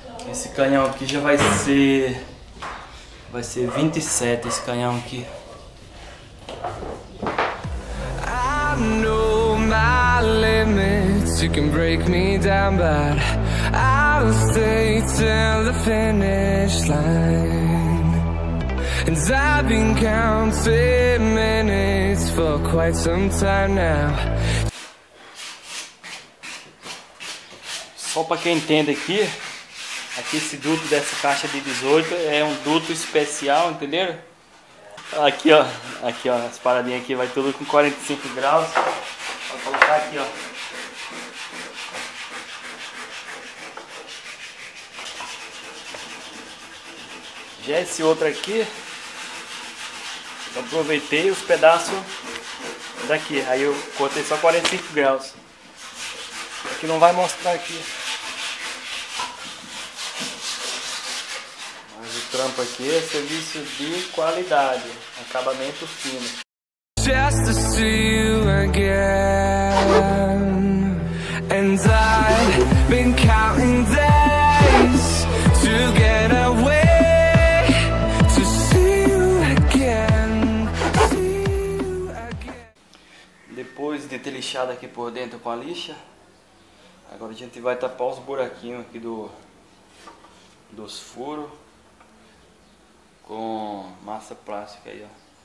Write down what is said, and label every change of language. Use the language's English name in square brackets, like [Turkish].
[Portuguese] Esse canhão aqui já vai ser 27, esse canhão aqui. [English] I know my limits, you can break me down, but I'll stay till the finish line. And I've been counting minutes for quite some time now. [Portuguese] Só pra quem entende aqui, aqui esse duto dessa caixa de 18 é um duto especial, entenderam? Aqui, ó, aqui, ó, as paradinhas aqui vai tudo com 45 graus. Vou colocar aqui, ó. Já esse outro aqui, aproveitei os pedaços daqui, aí eu cortei só 45 graus. Aqui não vai mostrar aqui. Mas o trampo aqui é serviço de qualidade, acabamento fino. [English] just to see you again. And I've been counting days to get away to see you again. See you again. [Portuguese] Depois de ter lixado aqui por dentro com a lixa, agora a gente vai tapar os buraquinhos aqui dos furos com massa plástica aí, ó.